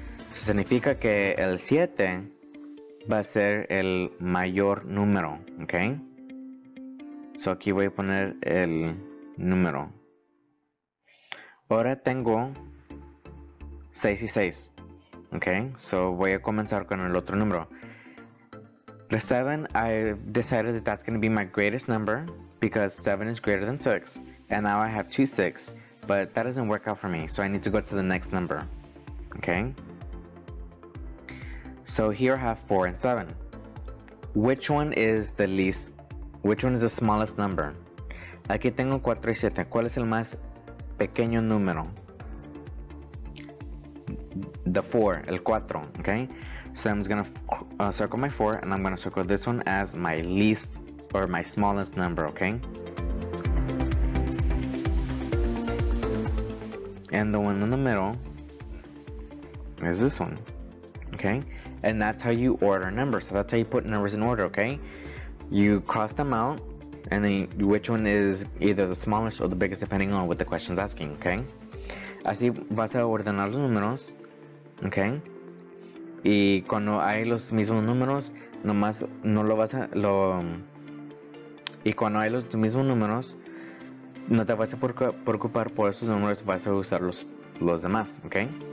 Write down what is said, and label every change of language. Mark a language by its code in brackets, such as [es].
[es] Significa que el 7 va a ser el mayor número, okay? So aquí voy a poner el número. Ahora tengo 6 y 6. Okay? So voy a comenzar con el otro número. [en] The 7, I decided that that's going to be my greatest number because 7 is greater than 6. And now I have 2 6, but that doesn't work out for me. So I need to go to the next number. Okay? So here I have 4 and 7. Which one is the least? Which one is the smallest number? [es] Aquí tengo 4 y 7. ¿Cuál es el más pequeño número? [en] The 4, [es] el 4. [en] Okay? So I'm just going to circle my 4 and I'm going to circle this one as my least or my smallest number, okay? And the one in the middle is this one, okay? And that's how you order numbers. So that's how you put numbers in order, okay? You cross them out and then which one is either the smallest or the biggest depending on what the question's asking, okay? [es] Así vas a ordenar los números, okay? Y cuando hay los mismos números, nomás no lo vas a lo. Y cuando hay los mismos números, no te vas a preocupar por esos números, vas a usar los demás, ¿ok?